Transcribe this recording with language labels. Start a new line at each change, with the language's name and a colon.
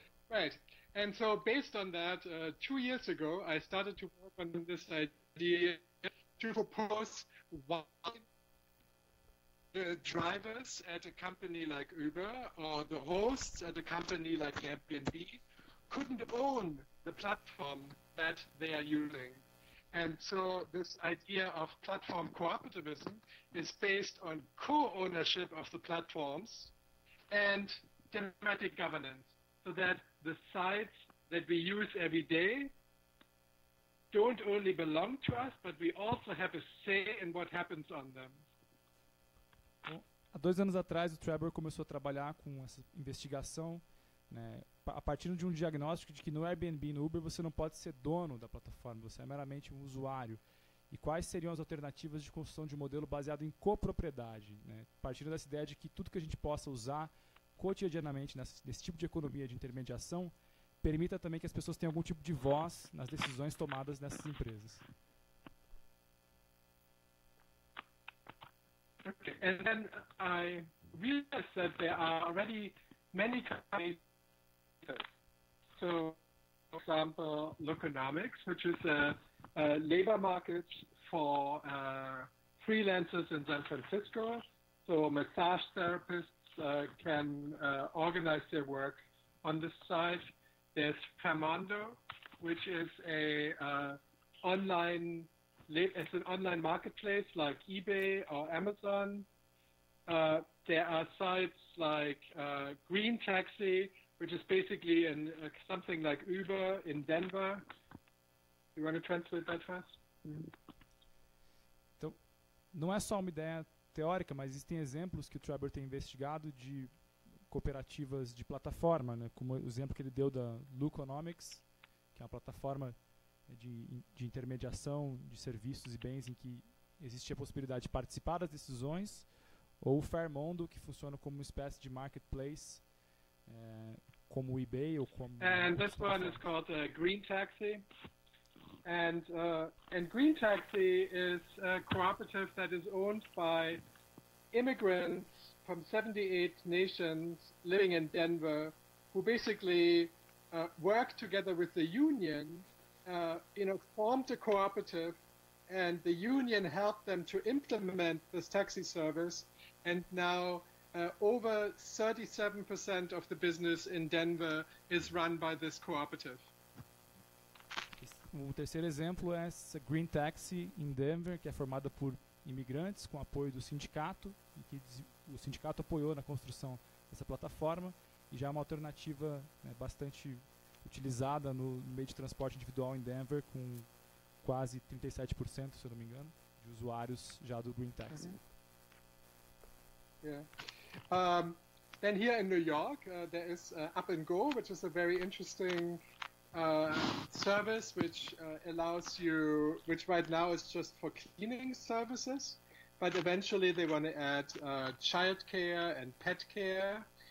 English: Right. And so, based on that, 2 years ago, I started to work on this idea to propose why the drivers at a company like Uber or the hosts at a company like Airbnb couldn't own the platform that they are using. And so this idea of platform cooperativism is based on co-ownership of the platforms and democratic governance, so that the sites that we use every day don't only belong to us, but we also have a say in what happens on them.
Portuguese: Bom, há 2 anos atrás, o Trevor começou a trabalhar com essa investigação, né, a partir de um diagnóstico de que no Airbnb e no Uber você não pode ser dono da plataforma, você é meramente um usuário. E quais seriam as alternativas de construção de um modelo baseado em copropriedade? Né? Partindo dessa ideia de que tudo que a gente possa usar cotidianamente nesse tipo de economia de intermediação permita também que as pessoas tenham algum tipo de voz nas decisões tomadas nessas empresas.
English: E then I realized that there are already many companies. So, for example, Lokonomics, which is a labor market for freelancers in San Francisco, so massage therapists can organize their work on this site. there's Famondo, which is a online marketplace like eBay or Amazon. There are sites like Green Taxi, which is basically in something like Uber in Denver. You want to translate that fast?
Portuguese: Então, não é só uma ideia teórica, mas existem exemplos que o Trevor tem investigado de cooperativas de plataforma, né? Como o exemplo que ele deu da Luconomics, que é uma plataforma de intermediação de serviços e bens em que existe a possibilidade de participar das decisões, ou o Fairmondo, que funciona como uma espécie de marketplace, como o eBay ou como...
English: And this one is called Green Taxi. And Green Taxi is a cooperative that is owned by immigrants from 78 nations living in Denver, who basically work together with the union, formed a cooperative, and the union helped them to implement this taxi service. And now over 37% of the business in Denver is run by this cooperative.
Portuguese: O terceiro exemplo é essa Green Taxi em Denver, que é formada por imigrantes com apoio do sindicato, e que o sindicato apoiou na construção dessa plataforma, e já é uma alternativa, né, bastante utilizada no meio de transporte individual em Denver, com quase 37%, se eu não me engano, de usuários já do Green Taxi.
English: Then here in New York, there is Up and Go, which is a very interesting service which allows you, which right now is just for cleaning services, but eventually they want to add child care and pet care.